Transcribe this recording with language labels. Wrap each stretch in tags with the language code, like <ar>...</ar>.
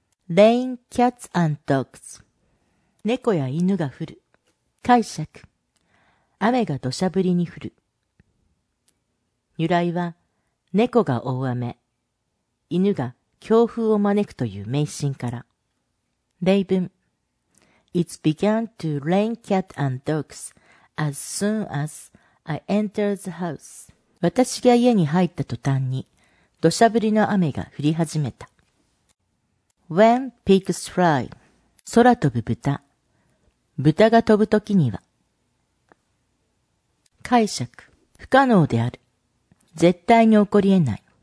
<en>Rain cats and dogs.</en> <ja>猫や犬が降る。解釈。雨が土砂降りに降る。由来は、猫が大雨、犬が強風を招くという迷信から。例文。</ja> <en>It began to rain cats and dogs as soon as I entered the house.</en> <ja>私が家に入った途端に、土砂降りの雨が降り始めた。</ja> <en>When pigs fly,</en> <ja>空飛ぶ豚。豚が飛ぶときには。解釈、不可能である。絶対に起こり得ない。</ja>